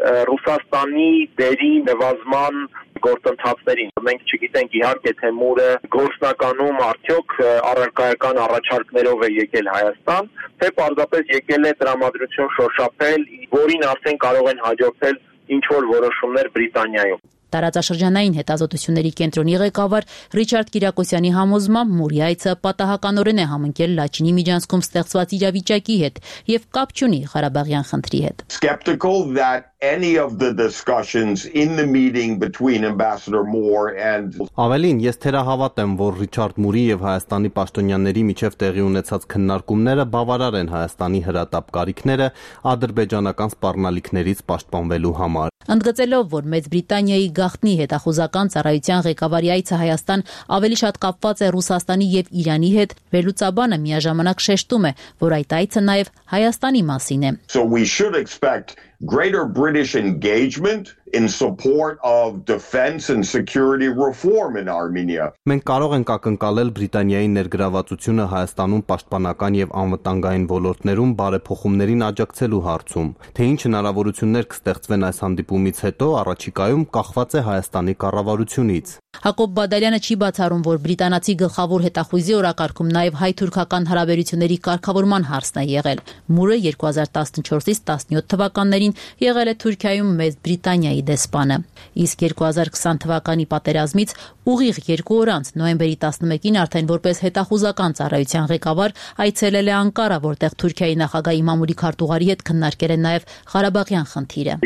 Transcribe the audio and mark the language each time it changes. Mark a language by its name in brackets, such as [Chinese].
[Armenian] Ռուսաստանի դերի նվազման գործընթացներին։ Մենք չգիտենք իհարկե, թե Մուրը գործնականում արդյոք առարկայական առաջարկներով է եկել Հայաստան, թե պարզապես եկել է տրամադրություն շոշափել, որին արդեն կարող են հաջորդել ինչ-որ որոշումներ Բրիտանիայում։ Տարածաշրջանային հետազոտությունների կենտրոնի ղեկավար Ռիչարդ Կիրակոսյանի համոզմամբ Մուրի այցը պատահականորեն է համընկել Լաչինի միջանցքում ստեղծված իրավիճակի հետ և կապ չունի Ղարաբաղյան խնդրի հետ։ [English] Skeptical that any of the discussions in the meeting between Ambassador Moore and [Armenian] Ավելին, ես թերահավատ եմ, որ Ռիչարդ Մուրի և Հայաստանի պաշտոնյաների միջև տեղի ունեցած քննարկումները բավարար են Հայաստանի հրատապ կարիքները ադրբեջանական սպառնալիքներից պաշտպանվելու համար։ Ընդգծելով, որ Մեծ Բրիտանիայի գաղտնի հետախուզական ծառայության ղեկավարի այցը Հայաստան ավելի շատ կապված է Ռուսաստանի և Իրանի հետ, վելուցաբանը միաժամանակ շեշտում է, որ այդ այցը նաև Հայաստանի մասին է։ [English] So we should expect greater British engagement in support of defense and security reform in Armenia. [Armenian] Մենք կարող ենք ակնկալել Բրիտանիայի ներգրավվածությունը Հայաստանում պաշտպանական եւ անվտանգային ոլորտներում բարեփոխումներին աջակցելու հարցում։ Թե ինչ հնարավորություններ կստեղծվեն այս հանդիպումից հետո, առաջիկայում կախված է Հայաստանի կառավարությունից։ Հակոբ Բադալյանը չի բացառում, որ Բրիտանացի գլխավոր հետախույզի օրակարգում նաև հայ-թուրքական հարաբերությունների կարգավորման հարցն է եղել։ Մուրը 2014-ից 17 թվականներին եղել է Թուրքիայում մեծ Բրիտանիայի դեսպանը։ Իսկ 2020 թվականի պատերազմից ուղիղ 2 օր անց, նոյեմբերի 11-ին արդեն որպես հետախուզական ծառայության ղեկավար այցելել է Անկարա, որտեղ Թուրքիայի նախագահի Մամուլի Քարտուղարի հետ քննարկել է նաև Ղարաբաղյան խնդիրը։